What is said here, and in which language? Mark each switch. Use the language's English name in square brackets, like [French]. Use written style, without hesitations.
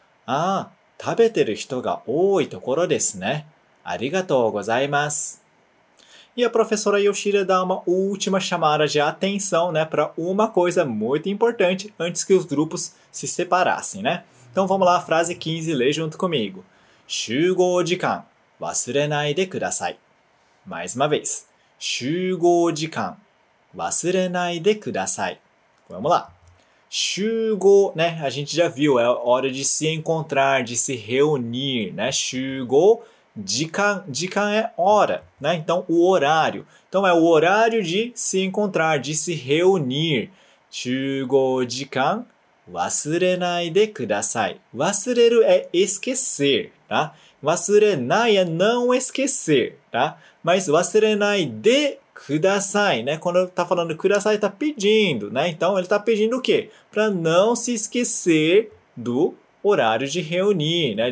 [Japanese] Ah, tabeteru hito ga ooi tokoro desu ne. Arigatou gozaimasu. [Portuguese] E a professora Yoshida dá uma última chamada de atenção, né, para uma coisa muito importante antes que os grupos se separassem, né? Então, vamos lá, frase 15, lê junto comigo. [Japanese] 集合時間, 忘れないでください. [Portuguese] Mais uma vez. [Japanese] 集合時間, 忘れないでください. [Portuguese] Vamos lá. [Japanese] 集合, [Portuguese] né? A gente já viu, é hora de se encontrar, de se reunir, né? [Japanese] 集合時間, 時間 [Portuguese] é hora, né? Então, o horário. Então, é o horário de se encontrar, de se reunir. [Japanese] 集合時間, 忘れないでください. 忘れる [Portuguese] é esquecer. Tá? [Japanese] Wasurenai [Portuguese] é não esquecer, tá? Mas [Japanese] wasurenai de kudasai, [Portuguese] né? Quando está falando [Japanese] kudasai, [Portuguese] está pedindo, né? Então, ele está pedindo o quê? Para não se esquecer do horário de reunir, né?